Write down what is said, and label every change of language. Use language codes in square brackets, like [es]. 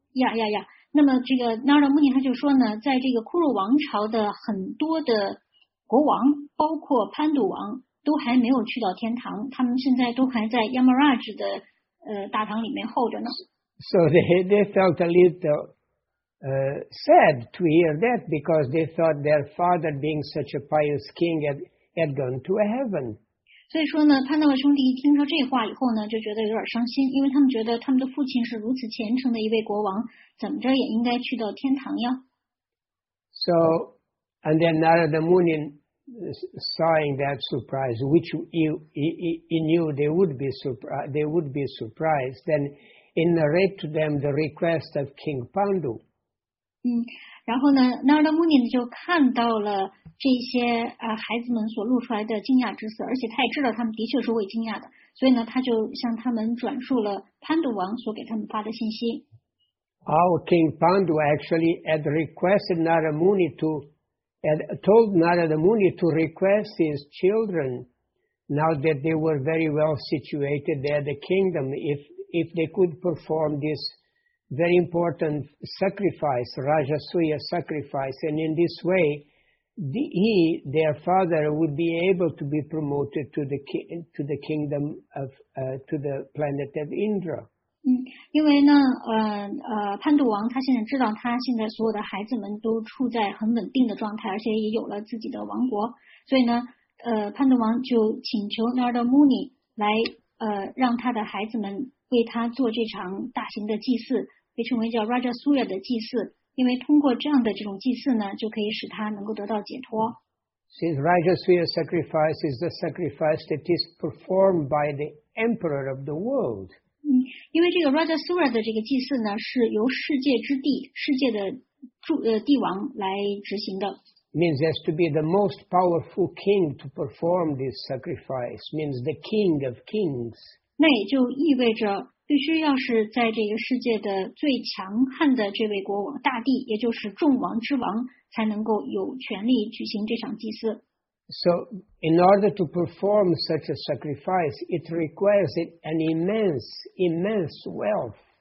[zh] Yeah. 那么这个 Narada Muni 他就说呢，在这个库鲁王朝的很多的国王，包括潘杜王，都还没有去到天堂，他们现在都还在 Yamaraj 的大堂里面候着呢。 [en] So they felt a little sad to hear that because they thought their father being such a pious king had gone to heaven. [zh] 所以说呢，潘杜兄弟一听说这话以后呢，就觉得有点伤心，因为他们觉得他们的父亲是如此虔诚的一位国王。怎么着也应该去到天堂呀。 [en] So, and then Narada Muni sawing that surprise, which he knew they would be surprised, then he narrated to them the request of King Pandu. [zh] 然后呢 ，Narada Muni 就看到了这些孩子们所露出来的惊讶之色，而且他也知道他们的确是会惊讶的，所以呢，他就向他们转述了潘杜王所给他们发的信息。 [en] How King Pandu actually had requested Narada Muni to, had told Narada Muni to request his children, now that they were very well situated, they had a kingdom, if they could perform this very important sacrifice, Rajasuya sacrifice, and in this way, their father would be able to be promoted to the kingdom of to the planet of Indra. [zh] 因为呢，潘杜王他现在知道他现在所有的孩子们都处在很稳定的状态，而且也有了自己的王国，所以呢，潘杜王就请求 Narada Muni 来让他的孩子们为他做这场大型的祭祀，被称为叫 Raja Surya 的祭祀。因为通过这样的这种祭祀呢，就可以使他能够得到解脱。 [en] Since Raja Surya sacrifice is the sacrifice that is performed by the emperor of the world. [zh] 因为这个 Raja Surya 的这个祭祀呢，是由世界之地、世界的帝王来执行的。 [en] Means has to be the most powerful king to perform this sacrifice. Means the king of kings. [zh] 那也就意味着。必须要是在这个世界的最强悍的这位国王大帝，也就是众王之王，才能够有权利举行这场祭祀。 [en] So, in order to perform such a sacrifice, it requires an immense, immense wealth.